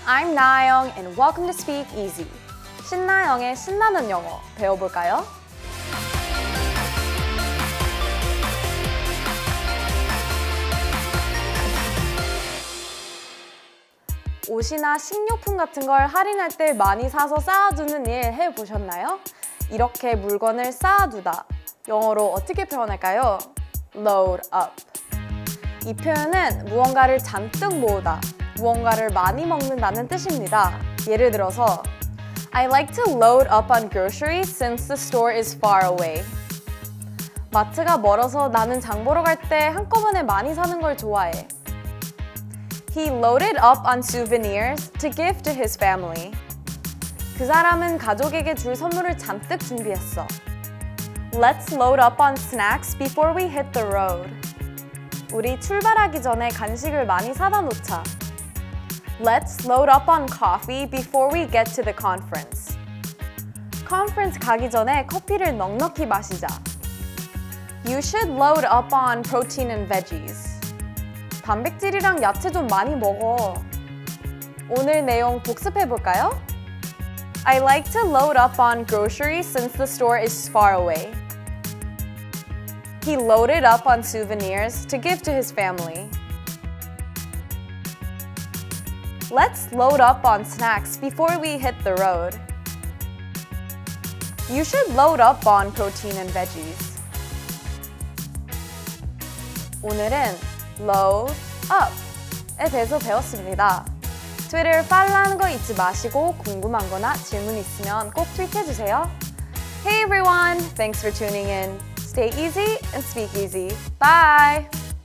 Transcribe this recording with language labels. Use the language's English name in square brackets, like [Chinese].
[English] I'm Nayeong and welcome to Speak Easy. [Korean] 신나영의 신나는 영어 배워볼까요? 옷이나 식료품 같은 걸 할인할 때 많이 사서 쌓아두는 일 해보셨나요? 이렇게 물건을 쌓아두다. 영어로 어떻게 표현할까요? [English] Load up. [Korean] 이 표현은 무언가를 잔뜩 모으다, 무언가를 많이 먹는다는 뜻입니다. 예를 들어서 [English] I like to load up on groceries since the store is far away. [Korean] 마트가 멀어서 나는 장 보러 갈 때 한꺼번에 많이 사는 걸 좋아해. [English] He loaded up on souvenirs to give to his family. [Korean] 그 사람은 가족에게 줄 선물을 잔뜩 준비했어. [English] Let's load up on snacks before we hit the road. [Korean] 우리 출발하기 전에 간식을 많이 사다 놓자. [English] Let's load up on coffee before we get to the conference. [Korean] 컨퍼런스 가기 전에 커피를 넉넉히 마시자. [English] You should load up on protein and veggies. [Korean] 단백질이랑 야채 좀 많이 먹어. 오늘 내용 복습해 볼까요? [English] I like to load up on groceries since the store is far away. He loaded up on souvenirs to give to his family. Let's load up on snacks before we hit the road. You should load up on protein and veggies. [Korean] 오늘은 load up에 대해서 배웠습니다. 트위터를 팔로우하는 거 잊지 마시고 궁금한 거나 질문 있으면 꼭 트윗해 주세요. [English] Hey everyone! Thanks for tuning in. Stay easy and speak easy. Bye!